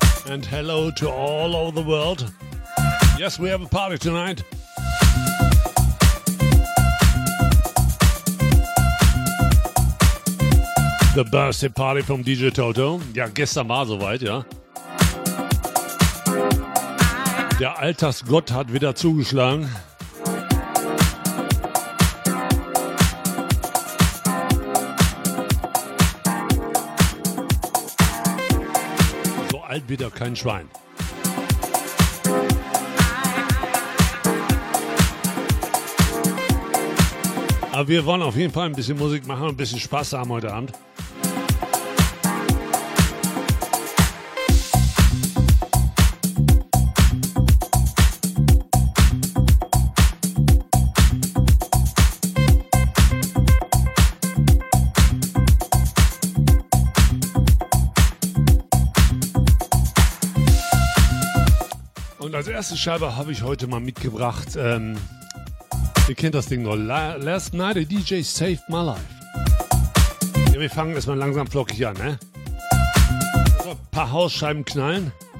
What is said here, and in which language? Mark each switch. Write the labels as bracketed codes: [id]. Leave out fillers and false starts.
[en] And hello to all over the world. Yes, we have a party tonight. The birthday party from DJ Toto. [de] Ja, gestern war soweit, ja. Der Altersgott hat wieder zugeschlagen. So alt wie der kein Schwein. Aber wir wollen auf jeden Fall ein bisschen Musik machen, ein bisschen Spaß haben heute Abend. Und als erste Scheibe habe ich heute mal mitgebracht, ihr kennt das Ding noch. [en] Last night a DJ saved my life. [de] Ja, wir fangen erstmal langsam flockig an, ne? So, ein paar Hausscheiben knallen.